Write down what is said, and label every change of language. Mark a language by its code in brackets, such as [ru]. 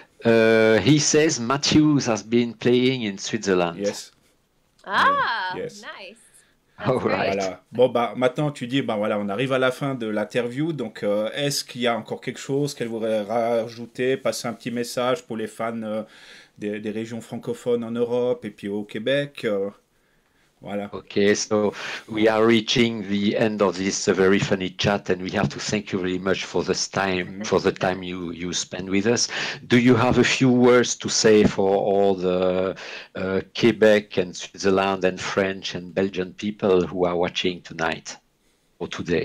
[en] He says Matthews has been playing in Switzerland. Yes. Ah, yes. Nice. All right. [fr] Voilà. Bon, bah, maintenant, tu dis, bah, voilà, on arrive à la fin de l'interview. Donc, est-ce qu'il y a encore quelque chose qu'elle voudrait rajouter, passer un petit message pour les fans des régions francophones en Europe et puis au Québec Voilà. [en] Okay, so we are reaching the end of this very funny chat, and we have to thank you very much for this time, mm-hmm. for the time you spend with us. Do you have a few words to say for all the Quebec and Switzerland and French and Belgian people who are watching tonight or today?